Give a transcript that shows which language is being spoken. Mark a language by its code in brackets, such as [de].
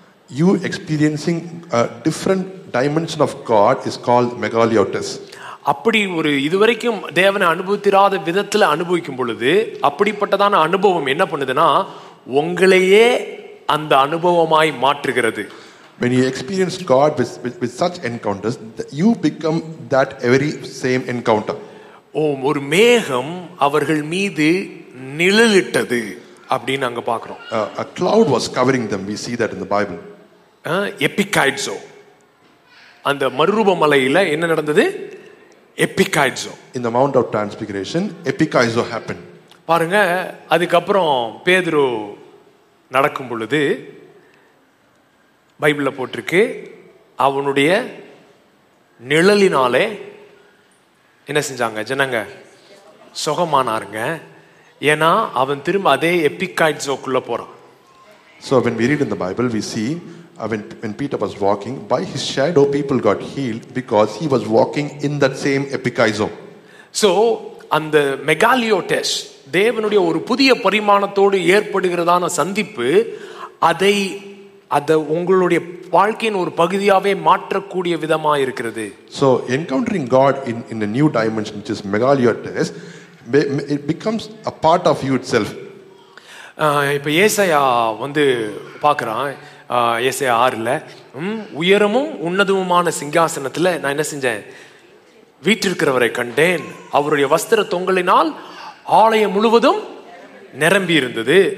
[en] You experiencing a different dimension of God is called megaliotes. [ta] அப்படி ஒரு இதுவரைக்கும் தேவனை அனுபவித்திராத விதத்துல அனுபவிக்கும் பொழுது அப்படிப்பட்டதான அனுபவம் என்ன பண்ணுதுன்னா, உங்களையே அந்த அனுபவமாய் மாற்றுகிறது. [en] When you experience God with such encounters, you become that every same encounter. [ta] ஒரு மேகம் அவர்கள் மீது நிழலிட்டது அப்படின்னு அங்க பாக்குறோம். [en] A cloud was covering them. We see that in the Bible. [ta] Epikaizo. அந்த மறுரூப மலையில என்ன நடந்தது? Epikaizo. [en] In the Mount of Transfiguration, epikaizo happened. [ta] பாருங்க, அதுக்கப்புறம் பேதுரு நடக்கும் பொழுது பைபிள்ல போட்டிருக்கு, அவனுடைய நிழலினாலே என்ன செஞ்சாங்க ஜனங்க? சுகமானாருங்க. ஏனா அவன் திரும்ப அதே எபிகாய்ட்ஸ்க்குள்ள போறான். [en] So when we read in the Bible, we see when Peter was walking by his shadow, people got healed because he was walking in that same epikaizo. [ta] So and the megaliotes, தேவனுடைய ஒரு புதிய பரிமாணத்தோடு ஏற்படுகிறதான சந்திப்பு, அதை உங்களுடைய வாழ்க்கையின் ஒரு பகுதியாகவே மாற்றக்கூடிய விதமா இருக்கிறது. [en] So encountering God in a new dimension, which is megaliotes, it becomes a part of you itself. [ta] இப்ப ஏசாயா வந்து பாக்குறான், ஏசாயா 6ல உயரமும் உன்னதமுமான சிங்காசனத்துல நான் என்ன செஞ்சேன், வீற்றிருக்கிறவரை கண்டேன், அவருடைய வஸ்திர தொங்கலினால் ஆலயம் முழுவதும் நிரம்பி இருந்தது.